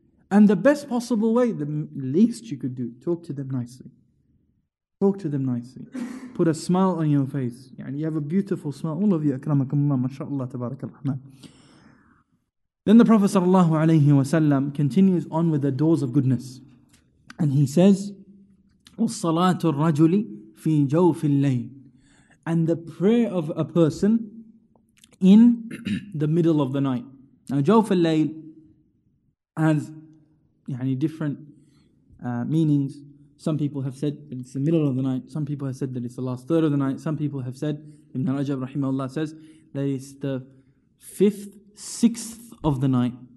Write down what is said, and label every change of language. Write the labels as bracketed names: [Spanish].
[English] And the best possible way, the least you could do, talk to them nicely. Talk to them nicely. Put a smile on your face. You have a beautiful smile. All of you, akramakumullah, mashallah, tabarakallah. Then the Prophet sallallahu alayhi wa sallam continues on with the doors of goodness. [Arabic] And he says, وَالصَّلَاةُ الرَّجُلِ فِي جَوْفِ اللَّيْلِ. [English] And the prayer of a person in the middle of the night. Now, جَوْفِ اللَّيْلِ has different meanings. Some people have said that it's the middle of the night. Some people have said that it's the last third of the night. Some people have said, Ibn Rajab rahimahullah says, that it's the fifth, sixth of the night.